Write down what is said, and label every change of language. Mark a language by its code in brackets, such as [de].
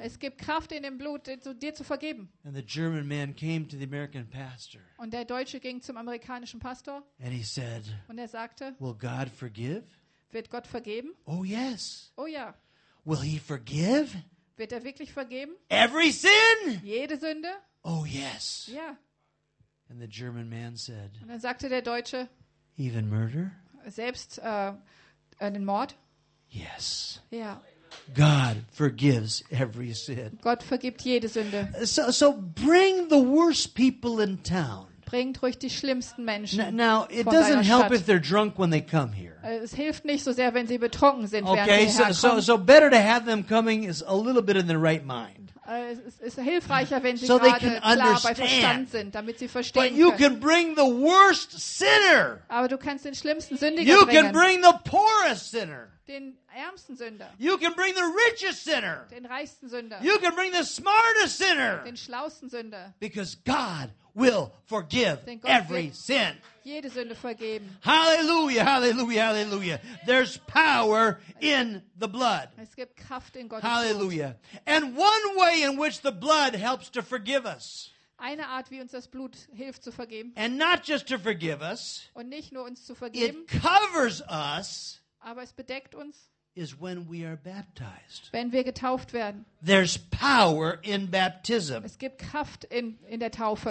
[de] Es gibt Kraft in dem Blut, dir zu vergeben. [en] And the German man came to the American pastor. [de] Und der Deutsche ging zum amerikanischen Pastor. [en] And he said, [de] und er sagte, [en] will God forgive? [de] Wird Gott vergeben? [en] Oh yes. [de] Oh ja. [en] Will he forgive? [de] Wird er wirklich vergeben? [en] Every sin? [de] Jede Sünde? [en] Oh yes. [de] Ja. [en] And the German man said, [de] und dann sagte der Deutsche, [en] even murder? [de] Selbst einen Mord? [en] Yes. [de] Ja. [en] God forgives every sin. [de] Gott vergibt jede Sünde. [en] So bring the worst people in town. [de] Bringt ruhig die schlimmsten Menschen. [en] Now it doesn't help if they're drunk when they come here. [de] Es hilft nicht so sehr, wenn sie betrunken sind, [en] okay, [de] während sie herkommen. [en] Okay, so better to have them coming is a little bit in the right mind. [de] Es ist hilfreicher, wenn sie gerade klar [en] understand. [de] Bei Verstand sind, damit sie verstehen [en] but you [de] können. [en] Can bring the worst sinner. [de] Aber du kannst den schlimmsten Sündiger [en] you [de] bringen. [en] Can bring the poorest sinner. [de] Den ärmsten Sünder. [en] You can bring the richest sinner. [de] Den reichsten Sünder. [en] You can bring the smartest sinner. [de] Den schlauesten Sünder. [en] Because God will forgive every sin. [de] Jede Sünde vergeben. [en] Hallelujah, hallelujah, hallelujah. There's power in the blood. [de] Es gibt Kraft in Gottes hallelujah. Blut. [en] And one way in which the blood helps to forgive us. [de] Eine Art, wie uns das Blut hilft zu vergeben. [en] And not just to forgive us. [de] Und nicht nur uns zu vergeben. [en] It covers us. [de] Aber es bedeckt uns. [en] Is when we are baptized. [de] Wenn wir getauft werden. [en] There's power in baptism. [de] Es gibt Kraft in der Taufe.